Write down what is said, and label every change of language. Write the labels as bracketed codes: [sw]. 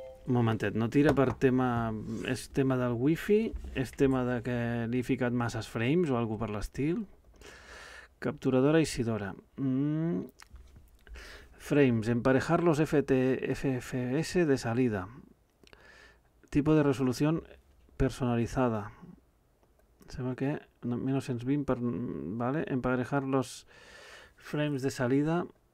[ca] Un momentet, no tira per tema... És tema del wifi? És tema de que li he ficat masses frames o alguna cosa per l'estil? Capturadora Isidora. [es] Frames, emparejar los FPS de salida. [ca] Tipo de resolució personalitzada. Sembla que 1920 per... [es] Vale, emparejar los frames de salida.